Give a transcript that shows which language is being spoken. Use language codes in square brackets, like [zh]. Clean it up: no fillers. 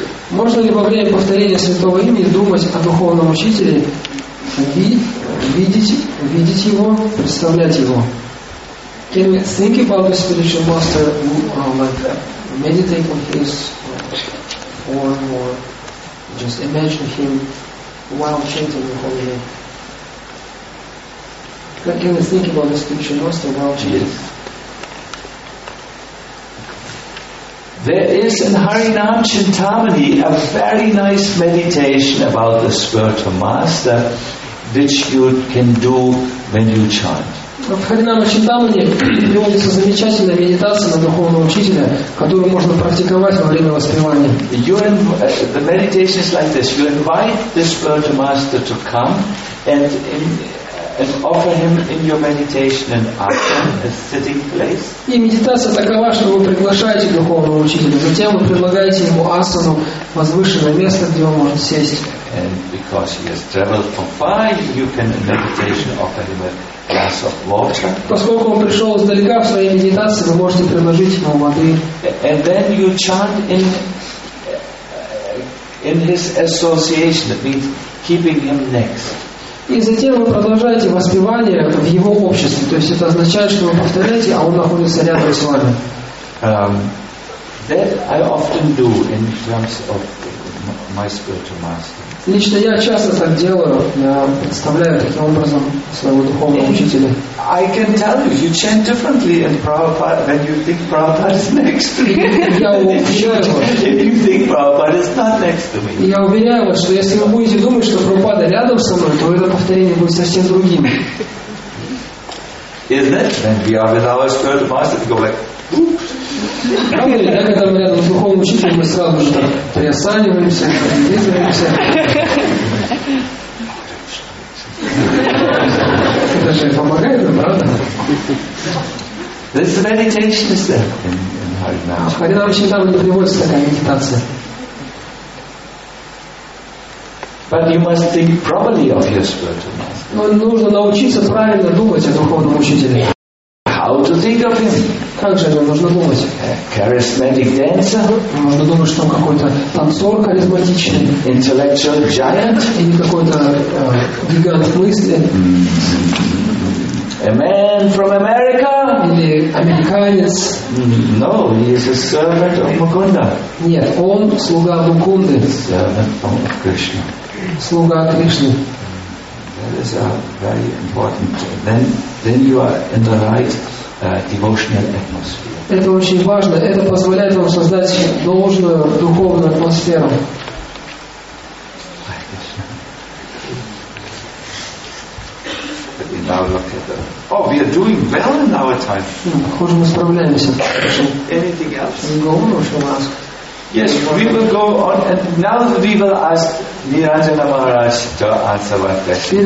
[ru] Можно ли во время повторения святого имени думать о духовном учителе, видеть его, представлять его? [en] Can we think about the spiritual master, meditate on his form, or just imagine him while chanting the holy name? Can we think about the spiritual master while chanting? Yes. There is in Harinam Chintamani a very nice meditation about the spiritual master which you can do when you chant. [ru] В Харинама Чинтамани приводится замечательная медитация на духовного учителя, которую можно практиковать во время воспевания. [en] The meditation is like this. You invite the spiritual master to come and and offer him in your meditation and ashram a sitting place. [ru] И медитация такова, что вы приглашаете духовного учителя, затем вы предлагаете ему асану, возвышенное место, где он может сесть. [en] And because he has traveled from far, you can in meditation offer him a glass of water. [ru] Поскольку он пришел издалека в своей медитации, вы можете предложить ему воды. [en] And then you chant in his association, that means keeping him next. [ru] И затем вы продолжаете воспевание в его обществе. То есть это означает, что вы повторяете, а он находится рядом с вами. [en] That I often do in terms of my spiritual master. [ru] Лично я часто так делаю, я представляю таким образом своего духовного учителя. [en] I can tell you, you chant differently in Prabhupada when you think Prabhupada is next to me. If you think Prabhupada is not next to me. [ru] Я уверяю вас, что если вы будете думать, что Прабхупада рядом со мной, то это повторение будет совсем другим. [en] Isn't it? When we are with our spiritual master, we go like, [ru] правда, когда мы рядом с духовным учителем, мы сразу же приосаниваемся, приблизываемся. Это же помогает нам, правда? [en] This meditation is there. [ru] Харинам Чинтамани там не приводится такая медитация. [en] But you must think properly of your spiritual master. [ru] Но нужно научиться правильно думать о духовном учителе. [en] How to think of him? [ru] Как же о нем нужно думать? [en] Charismatic dancer? [ru] Можно думать, что он какой-то танцор харизматичный. [en] Intellectual giant? [ru] Или какой-то гигант мысли. [en] A man from America? [ru] Или американец. [en] No, he is a servant of Mukunda. [ru] Нет, он слуга Мукунды. [en] Servant of Krishna. [ru] Слуга Кришны. [en] That is very important. Then you are in the right devotional atmosphere. [ru] Это очень важно. Это позволяет вам создать нужную духовную атмосферу. [en] Oh, we are doing well in our time. [ru] Похоже, мы справляемся. [en] Anything else? [ru] Никого еще не [en] ask. Yes, we will go on, and now we will ask Niranjana Maharaj to answer one question.